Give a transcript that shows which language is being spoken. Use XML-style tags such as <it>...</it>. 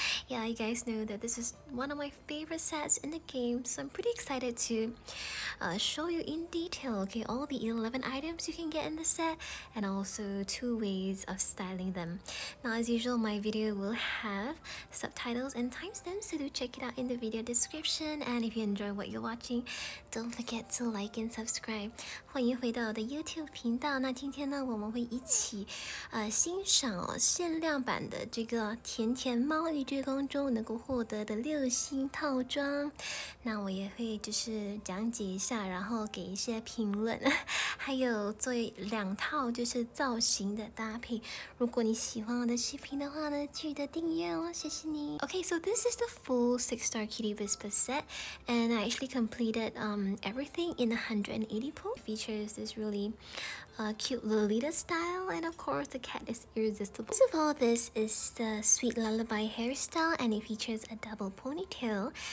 <en>Yeah, you guys know that this is one of my favorite sets in the game, so I'm pretty excited to show you in detail, okay, all the 11 items you can get in the set and also two ways of styling them. Now, as usual, my video will have subtitles and timestamps, so do check it out in the video description. And if you enjoy what you're watching, don't forget to like and subscribe.</en> <zh>欢迎回到我的 YouTube 频道。那今天呢，我们会一起欣赏限量版的这个甜甜猫寓’追光中能够获得的六星套装。那我也会就是讲解一下，然后给一些评论，还有做两套就是造型的搭配。如果你喜欢我的视频的话呢，记得订阅哦，谢谢你。</zh> <en>Okay, so this is the full 6-star Kitty Whisper set, and I actually completed everything in 180 pulls. Features this really cute Lolita style, and of course the cat is irresistible. First of all, this is the sweet lullaby hairstyle, and it features a double ponytail.</en>